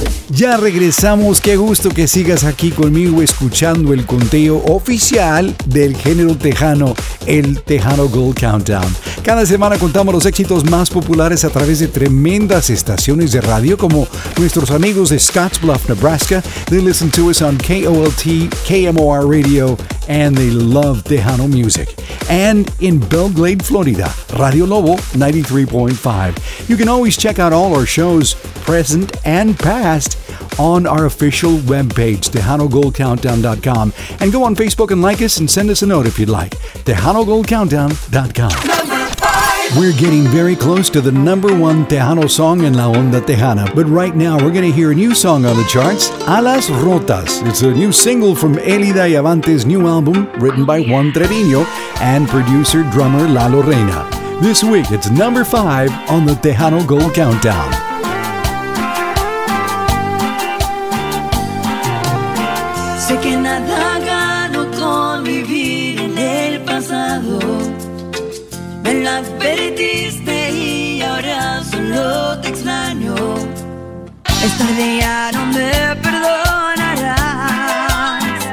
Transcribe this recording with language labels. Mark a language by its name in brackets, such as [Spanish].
[Spanish] Ya regresamos, qué gusto que sigas aquí conmigo escuchando el conteo oficial del género tejano, el Tejano Gold Countdown. Cada semana contamos los éxitos más populares a través de tremendas estaciones de radio como nuestros amigos de Scottsbluff, Nebraska. [English] They listen to us on KOLT, KMOR Radio, and they love Tejano music. And in Belgrade, Florida, Radio Lobo 93.5. You can always check out all our shows, present and past, on our official webpage, TejanoGoldCountdown.com. And go on Facebook and like us and send us a note if you'd like. TejanoGoldCountdown.com. We're getting very close to the number one Tejano song in La Onda Tejana. But right now, we're going to hear a new song on the charts, Alas Rotas. It's a new single from Elida Yavante's new album, written by Juan Treviño and producer-drummer Lalo Reyna. This week, it's number five on the Tejano Gold Countdown. [Spanish] Sé que nada gano con vivir en el pasado. Me lo advertiste y ahora solo te extraño. Esta día no me perdonarás.